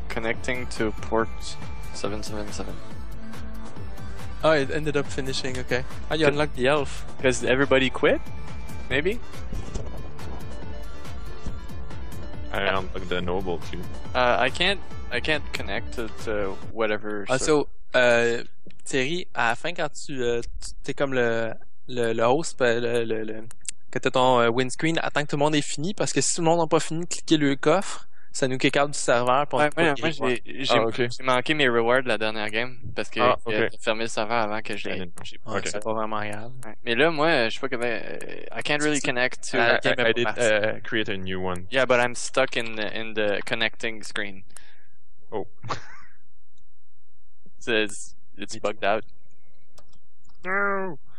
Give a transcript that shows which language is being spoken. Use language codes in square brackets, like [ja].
[en] Connecting to port 777. Oh, it ended up finishing, okay. Oh, you unlocked the elf. Because everybody quit? Maybe? I unlocked the noble too. I can't connect to whatever. So [fr] Thierry, à la fin, quand tu t'es comme le host, le que t'es ton windscreen, attends que tout le monde ait fini, parce que si tout le monde n'a pas fini de cliquer le coffre, ça nous [en] kick out [fr] du serveur pour ouais, ouais, moi, j'ai manqué mes rewards la dernière game, parce que j'ai fermé le serveur avant que je l'aie. Okay. C'est pas vraiment grave. Ouais. Mais là, moi, je sais pas comment. [en] I can't really connect to. I did create a new one. Yeah, but I'm stuck in the connecting screen. Oh. It's bugged out. No!